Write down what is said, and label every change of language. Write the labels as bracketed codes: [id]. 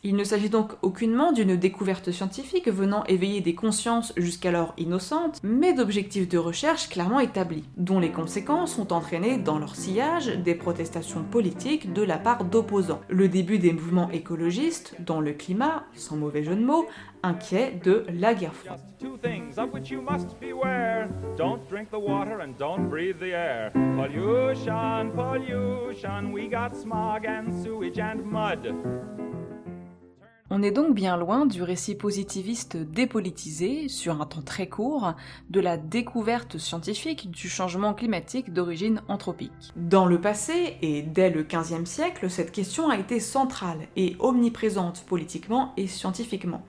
[fr] Il ne s'agit donc aucunement d'une découverte scientifique venant éveiller des consciences jusqu'alors innocentes, mais d'objectifs de recherche clairement établis, dont les conséquences ont entraîné dans leur sillage des protestations politiques de la part d'opposants. Le début des mouvements écologistes, dans le climat, sans mauvais jeu de mots, inquiet de la guerre froide. [en] Two things of which you must beware. Don't drink the water and don't breathe the air. Pollution, pollution, we got smog and sewage and mud. [fr] On est donc bien loin du récit positiviste dépolitisé, sur un temps très court, de la découverte scientifique du changement climatique d'origine anthropique. Dans le passé, et dès le XVe siècle, cette question a été centrale et omniprésente politiquement et scientifiquement.